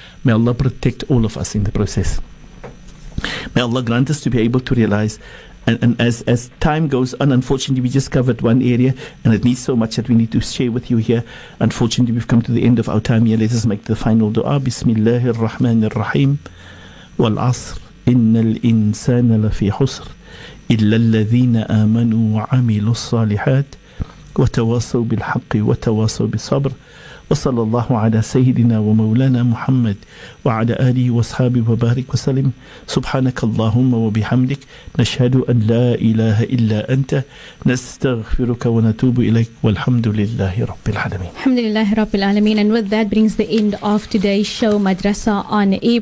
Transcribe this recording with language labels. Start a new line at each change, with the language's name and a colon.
English: May Allah protect all of us in the process. May Allah grant us to be able to realize. And as time goes on, unfortunately, we just covered one area, and it needs so much that we need to share with you here. Unfortunately, we've come to the end of our time here. Let us make the final dua. Bismillahir Rahmanir Rahim.
Arabic: والعصر إن الإنسان لفي حسر إلا الذين آمنوا وعملوا الصالحات وتواصوا بالحق وتواصوا بالصبر وصلى الله على سيدنا ومولانا محمد وعلى آله وصحبه وبارك وسلم سبحانك اللهم وبحمدك نشهد أن لا إله إلا أنت نستغفرك ونتوب إليك والحمد لله رب العالمين الحمد لله رب العالمين.
English: And with that brings the end of today's show, Madrasa on Air.